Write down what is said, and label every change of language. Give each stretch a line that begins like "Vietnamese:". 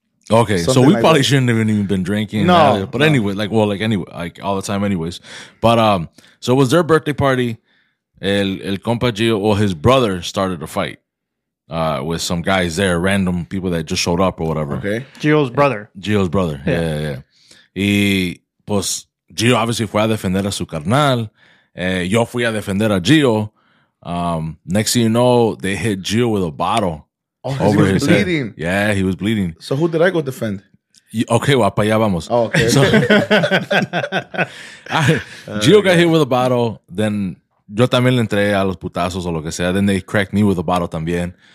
English: Okay, something, so we like probably that. Shouldn't have even been drinking. No. But no. Anyway, like, well, like, anyway, like, all the time anyways. But, so it was their birthday party. El compa Gio, or his brother, started a fight. With some guys there, random people that just showed up or whatever. Okay. Gio's brother. Gio's brother. Yeah.
Spanish: Y pues, Gio obviously fue a defender a su carnal. Yo fui a defender a Gio.
English: Next thing you know, they hit Gio with a bottle. Oh, he was bleeding. Head. Yeah, he was bleeding. So who did I go defend?
Spanish: Okay, well, para allá vamos.
English: Oh, okay. So, Gio got hit with a bottle.
Spanish: Then yo también le entré a los putazos o lo que sea.
English: Then they cracked me with a bottle
Spanish: también.